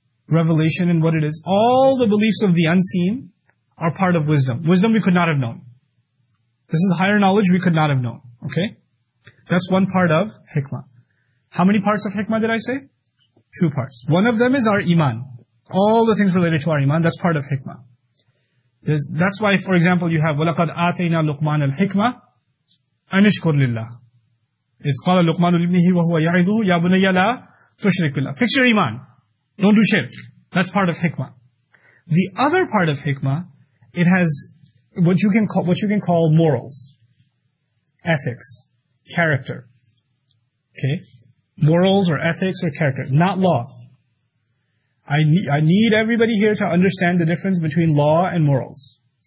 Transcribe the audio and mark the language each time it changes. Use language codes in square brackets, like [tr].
[en] Revelation and what it is. All the beliefs of the unseen are part of wisdom. Wisdom we could not have known. This is higher knowledge we could not have known. Okay? That's one part of hikmah. How many parts of hikmah did I say? Two parts. One of them is our iman. All the things related to our iman, that's part of hikmah. That's why, for example, you have [ar] وَلَقَدْ آتَيْنَا لُقْمَانَ الْحِكْمَةِ أَنِشْكُرْ لِلَّهِ إِذْ قَالَ لُقْمَانُ لِبْنِهِ وَهُوَ يَعِذُهُ يَا بُنَيَّ لَا تُشْرِكْ بِاللَّهِ. [en] Fix your iman. Don't do shirk. That's part of hikmah. The other part of hikmah, it has what you can call morals, ethics, character. Okay? Morals or ethics or character, not law. I need everybody here to understand the difference between law and morals.